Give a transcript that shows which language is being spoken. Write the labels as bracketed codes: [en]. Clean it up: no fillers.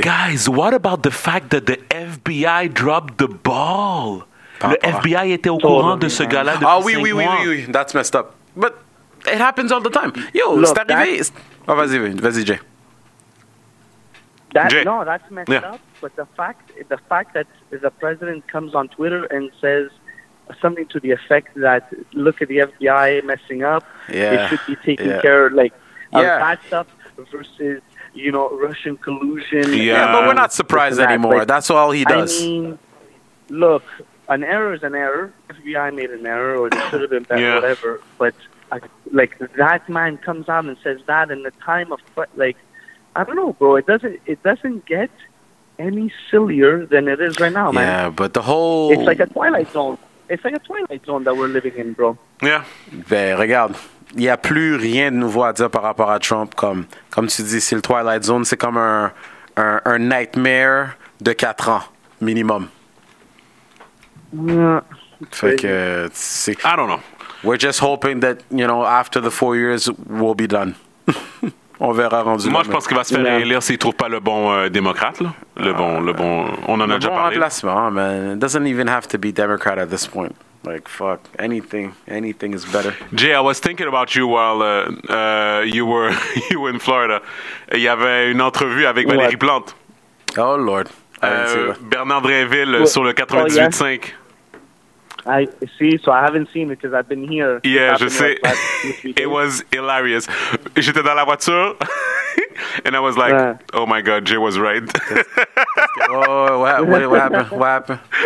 [en] But guys, what about the fact that the FBI dropped the ball? [fr] Le FBI était au courant de ce gars-là depuis 5 mois. Ah oui. [en] That's messed up. But it happens all the time. Yo, look, [fr] c'est arrivé. Oh, vas-y, [en] Jay. That's messed up. But the fact that the president comes on Twitter and says something to the effect that look at the FBI messing up, they should be taking care of bad stuff versus Russian collusion. But we're not surprised anymore. Like, that's all he does. I mean, look, an error is an error. FBI made an error, or it should have been better, whatever. But that man comes out and says that in the time of I don't know, bro. It doesn't get any sillier than it is right now, man. Yeah, but the whole... It's like a Twilight Zone. It's like a Twilight Zone that we're living in, bro. Yeah. [fr] Ben, regarde. Il n'y a plus rien de nouveau à dire par rapport à Trump. Comme tu dis, c'est le Twilight Zone. C'est comme un nightmare de 4 ans, minimum. Fait que... [en] I don't know. We're just hoping that, after the 4 years, we'll be done. [fr] On verra rendu. Moi, je pense qu'il va se faire réélire s'il ne trouve pas le bon démocrate. Là. Le bon. On en a déjà parlé. Le bon remplacement, man. [en] It doesn't even have to be Democrat at this point. Like, fuck. Anything is better. Jay, I was thinking about you while you were in Florida. [fr] Il y avait une entrevue avec Valérie Plante. [en] Oh, Lord. [fr] Bernard Drainville sur le 98.5. [en] I see, so I haven't seen it because I've been here. Yeah, [fr] je sais. [en] It was hilarious. [fr] J'étais dans la voiture, [en] and I was like, oh my God, Jay was right. what happened?